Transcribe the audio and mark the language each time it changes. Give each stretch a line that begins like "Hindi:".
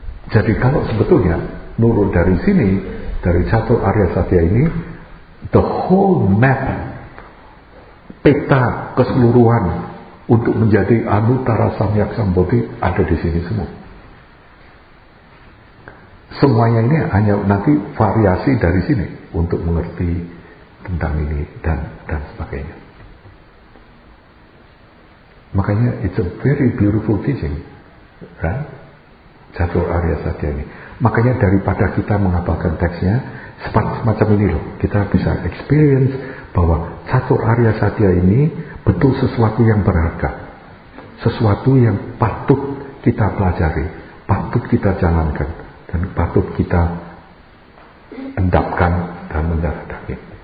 Indonesian: Jadi kalau sebetulnya nurut dari sini, dari satu Arya Satya ini,
English: the whole map,
Indonesian: peta keseluruhan untuk menjadi Anuttara Samyak Sambodhi ada di sini semua. Semuanya ini hanya nanti variasi dari sini untuk mengerti tentang ini dan sebagainya. Makanya
English: it's a very beautiful teaching, right?
Indonesian: Satu Arya Satya ini. Makanya daripada kita menghafalkan teksnya, semacam ini loh, kita bisa experience bahwa satu Arya Satya ini betul sesuatu yang berharga, sesuatu yang patut kita pelajari, patut kita jalankan, dan patut kita endapkan dan mendaratkan.